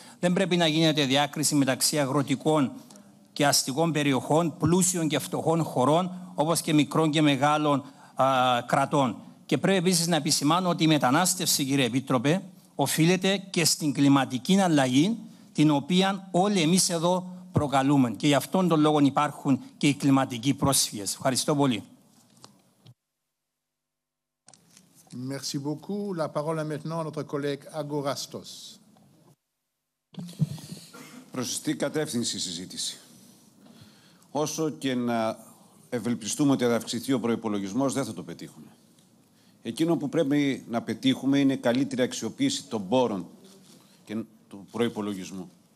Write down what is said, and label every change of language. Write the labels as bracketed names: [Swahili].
[Greek] Δεν πρέπει να γίνεται διάκριση μεταξύ αγροτικών και αστικών περιοχών, πλούσιων και φτωχών χωρών, όπως και μικρών και μεγάλων κρατών. Και πρέπει επίσης να επισημάνω ότι η μετανάστευση, κύριε Επίτροπε, οφείλεται και στην κλιματική αλλαγή, την οποία όλοι εμείς εδώ προκαλούμε. Και γι' αυτόν τον λόγο υπάρχουν και οι κλιματικοί πρόσφυγες. Ευχαριστώ πολύ. [French] Merci beaucoup. La parole est maintenant à notre collègue Agorastos. [Greek] Προσιστή κατεύθυνση συζήτηση. Όσο και να ευελπιστούμε ότι θα αυξηθεί ο προϋπολογισμός, δεν θα το πετύχουμε. Εκείνο που πρέπει να πετύχουμε είναι καλύτερη αξιοποίηση των πόρων και του προϋπολογισμού.